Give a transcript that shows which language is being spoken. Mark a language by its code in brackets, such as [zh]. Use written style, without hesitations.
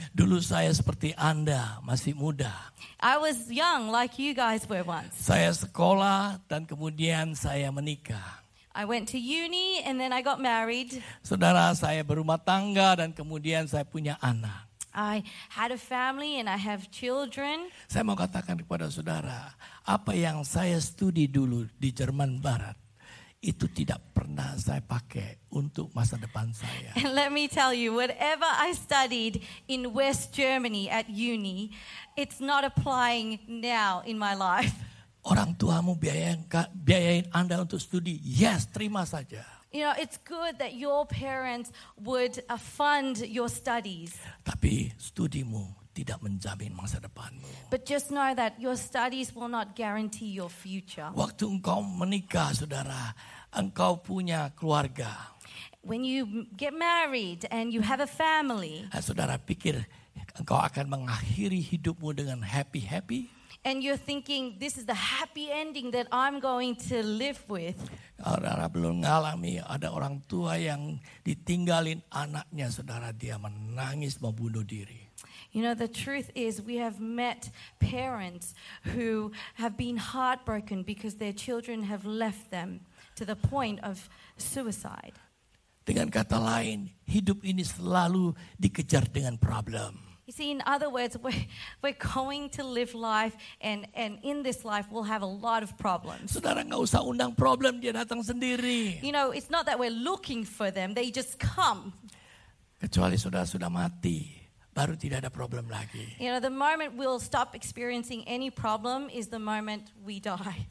[id] Dulu saya seperti Anda, masih muda. [en] I was young like you guys were once. [id] Saya sekolah dan kemudian saya menikah. [en] I went to uni and then I got married. [id] Saudara, saya berumah tangga dan kemudian saya punya anak. [en] I had a family and I have children. [id] Saya mau katakan kepada saudara, apa yang saya studi dulu di Jerman Barat, itu tidak pernah saya pakai untuk masa depan saya. [en] And let me tell you, whatever I studied in West Germany at uni, it's not applying now in my life. [id] Orang tuamu biayain Anda untuk studi. Yes, terima saja. [en] You know, it's good that your parents would fund your studies. [id] Tapi studimu tidak menjamin masa depanmu. [en] But just know that your studies will not guarantee your future. [id] Waktu engkau menikah, saudara, engkau punya keluarga. [en] When you get married and you have a family. [id] Saudara, pikir engkau akan mengakhiri hidupmu dengan happy-happy. [en] And you're thinking, this is the happy ending that I'm going to live with. [id] Saudara belum mengalami ada orang tua yang ditinggalin anaknya, saudara, dia menangis membunuh diri. [en] You know, the truth is we have met parents who have been heartbroken because their children have left them to the point of suicide. [id] Dengan kata lain, hidup ini selalu dikejar dengan problem. [en] You see, in other words, we're going to live life and in this life we'll have a lot of problems. [id] Saudara, enggak usah undang problem, dia datang sendiri. [en] You know, it's not that we're looking for them, they just come. [id] Kecuali saudara sudah mati, baru tidak ada problem lagi. [en] You know, the moment we'll stop experiencing any problem is the moment we die.